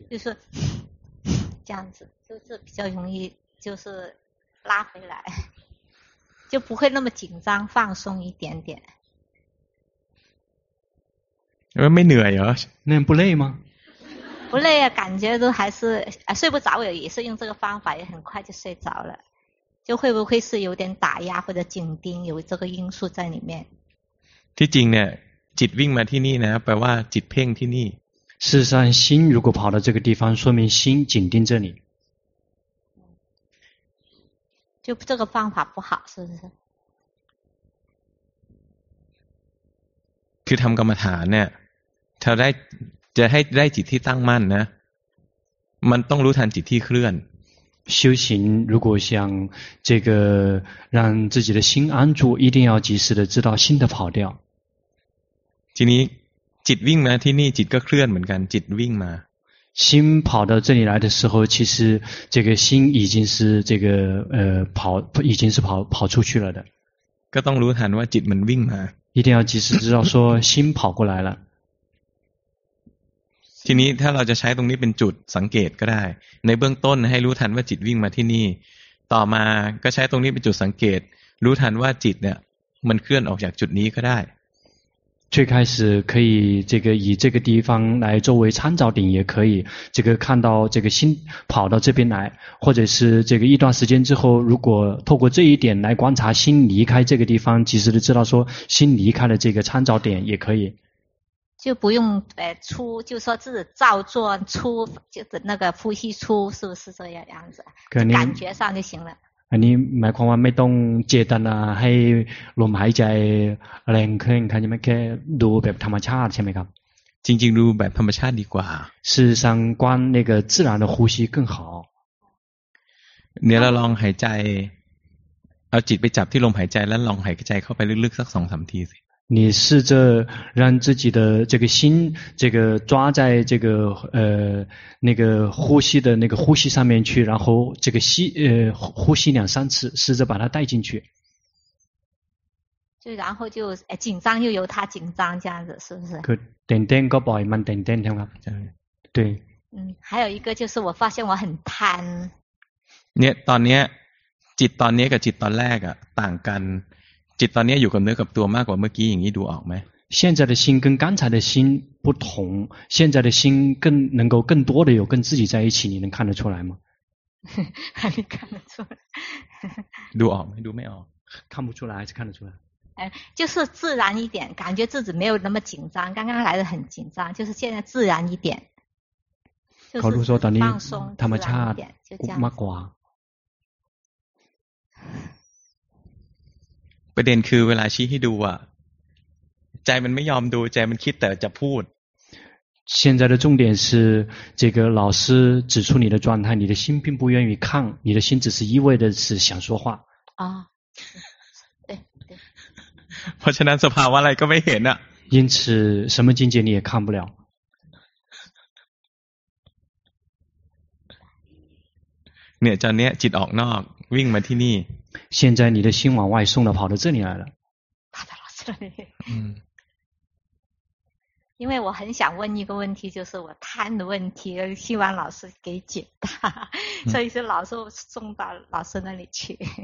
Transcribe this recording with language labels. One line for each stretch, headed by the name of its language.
Chinese: 就是这样子就是比较容易就是拉回来就不会那么紧张放松一点点没没累啊那不累吗不累啊感觉都还是睡不着也是用这个方法也很快就睡着了就会不会是有点打压或者紧盯有这个因素在里面
Thai: ที่จริงเนี่ยจิตวิ่งมาที่นี่นะแปลว่าจิตเพ่งที่นี่
Chinese: 事实上心如果跑到这个地方说明心紧盯这里就这个方法不好是不是
Thai: คือทำกรรมฐานเนี่ยถ้าได้จะให้ได้จิตที่ตั้งมั่นนะมันต้องรู้ทันจิตที่เคลื่อน
Chinese: 修行如果想这个让自己的心安住一定要及时的知道心的跑掉
Thai: ทีนี้จิตวิ่งมาที่นี่จิตก็เคลื่อนเหมือนกันจิตวิ่งมา
Chinese: 心跑到这里来的时候其实这个心已经是这个跑已经是跑出去了的
Thai: ก็ต้องรู้ทันว่าจิตมันวิ่งมา
Chinese: 一定要及时知道说心跑过来了
Thai: ทีนี้ถ้าเราจะใช้ตรงนี้เป็นจุดสังเกตก็ได้ในเบื้องต้นให้รู้ทันว่าจิตวิ่งมาที่นี่ต่อมาก็ใช้ตรงนี้เป็นจุดสังเกตรู้ทันว่าจิตเนี่ยมันเคลื่อนออกจากจุดนี้ก็ได้
Chinese: 最开始可以这个以这个地方来作为参照点也可以这个看到这个心跑到这边来或者是这个一段时间之后如果透过这一点来观察心离开这个地方及时的知道说心离开了这个参照点也可以就不用粗就说自己照做粗就是那个呼吸粗是不是这样样子感觉上就行了
Thai: อันนี้หมายความว่าไม่ต้องเจตนาให้ลมหายใจแรงขึ้นใช่ไหมแค่ดูแบบธรรมชาติใช่ไหมครับ จริงๆดูแบบธรรมชาติดีกว่า
Chinese: 事实上观那个自然的呼吸更好
Thai: เนี่ยเราลองหายใจเอาจิตไปจับที่ลมหายใจแล้วลองหายใจเข้าไปลึกๆสัก 2-3 ทีสิ
Chinese: 你试着让自己的这个心这个抓在这个那个呼吸的那个呼吸上面去然后这个吸呼吸两三次试着把它带进去就然后就紧张又由它紧张这样子是不是可点点个宝慢点点点对还有一个就是我发现我很贪
Thai: 你ตอนนี้จิตตอนนี้กับจิตตอนแรกอ่ะต่างกันจิตตอนนี้อยู่กับเนื้อกับตัวมากกว่าเมื่อกี้อย่างนี้ดูออกไหม
Chinese: 现在的心跟刚才的心不同现在的心更能够更多的有跟自己在一起你能看得出来吗还没看得出来
Thai: ดูออกไหมดูไม่ออก
Chinese: 看不出来还是看得出来就是自然一点感觉自己没有那么紧张刚刚来的很紧张就是现在自然一点
Thai: ขอรู้说ตอนนี้ธรรมชาติ มากกว่า ประเด็นคือเวลาชี้ให้ดูอ่ะใจมันไม่ยอมดูใจมันคิดแต่จะพูด
Chinese: 现在的重点是这个老师指出你的状态你的心并不愿意看你的心只是意味着是想说话啊对
Thai: เพราะฉะนั้นสภาวะอะไรก็ไม่เห็นอ่ะ
Chinese: 因此什么境界你也看不了
Thai: เนี่ยตอนนี้จิตออกนอกวิ่งมาที่นี่
Chinese: 现在你的心往外送了跑到这里来了大白老师这里。因为我很想问一个问题，就是我贪的问题，希望老师给解答，所以是老师送到老师那里去。